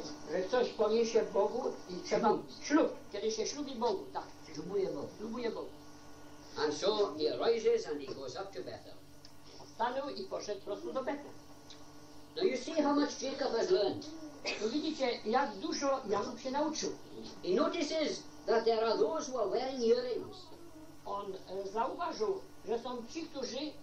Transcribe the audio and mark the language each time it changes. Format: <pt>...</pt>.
<pl>Że coś powie się Bogu i trzeba ślub. Kiedy się ślubi Bogu, tak. Ślubuje Bogu.</pl> <en>And so he arises and he goes up to Bethel.</en> <pl>Stanął i poszedł prosto do Bethel.</pl> <en>Do you see how much Jacob has learned?</en> <pl>To widzicie, jak dużo Jakub się nauczył.</pl> <en>He notices that there are those who are wearing earrings.</en> <pl>On zauważył, że są ci, którzy</pl>